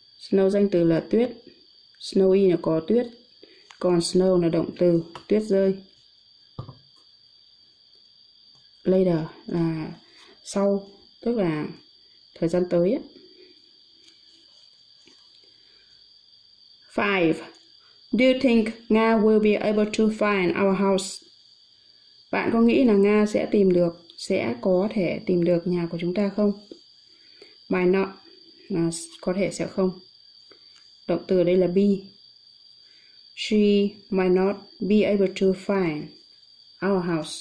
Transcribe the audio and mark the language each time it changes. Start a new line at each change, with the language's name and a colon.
Vietnamese: 5. Danh từ là tuyết. Snowy là có tuyết. Còn snow là động từ, tuyết rơi. Later là sau, tức là thời gian tới. 5.
English: Do you think Nga will be able to find our house?
Vietnamese: Bạn có nghĩ là Nga sẽ tìm được, sẽ có thể tìm được nhà của chúng ta không? Might not, là có thể sẽ không. Động từ đây là be.
English: She might not be able to find our house.